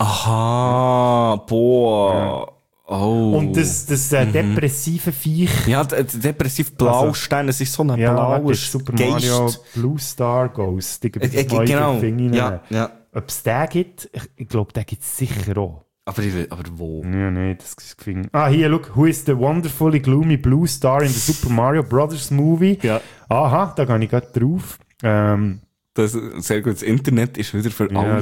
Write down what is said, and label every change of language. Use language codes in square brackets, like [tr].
[de] Aha, boah. Ja. Oh. Und das depressive Viech. Ja, depressiv Blaustein, also, es ist so ein blaues Super Geist. Mario Blue Star Ghost. Genau. Ja. Ob es den gibt, ich glaube, den gibt es sicher auch. Aber wo? Nee, das ist Fing. Ah, hier, [en] look, who is the wonderfully gloomy blue star in the Super Mario Brothers Movie? [de] Ja. Aha, da gehe ich gerade drauf. Das ist sehr gut, das Internet ist wieder für alle da.